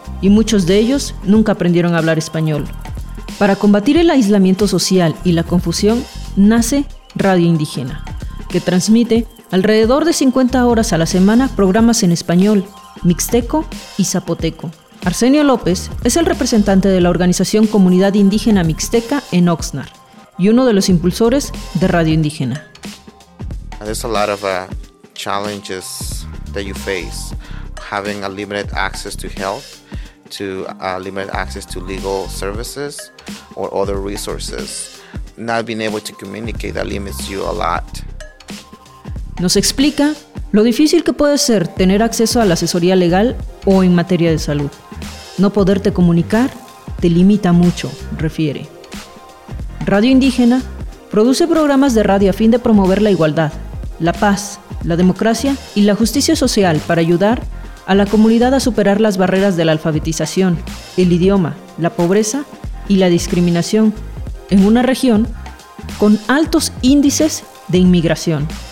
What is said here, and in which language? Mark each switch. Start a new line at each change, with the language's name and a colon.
Spanish: Y muchos de ellos nunca aprendieron a hablar español. Para combatir el aislamiento social y la confusión, nace Radio Indígena, que transmite alrededor de 50 horas a la semana programas en español, mixteco y zapoteco. Arsenio López es el representante de la organización Comunidad Indígena Mixteca en Oxnard y uno de los impulsores de Radio Indígena.
English: There's a lot of challenges that you face, having a limited access to health, to limit access to legal services or other resources. Not being able to communicate, that limits you a lot.
Spanish: Nos explica lo difícil que puede ser tener acceso a la asesoría legal o en materia de salud. No poderte comunicar te limita mucho, refiere. Radio Indígena produce programas de radio a fin de promover la igualdad, la paz, la democracia y la justicia social para ayudar a la comunidad a superar las barreras de la alfabetización, el idioma, la pobreza y la discriminación en una región con altos índices de inmigración.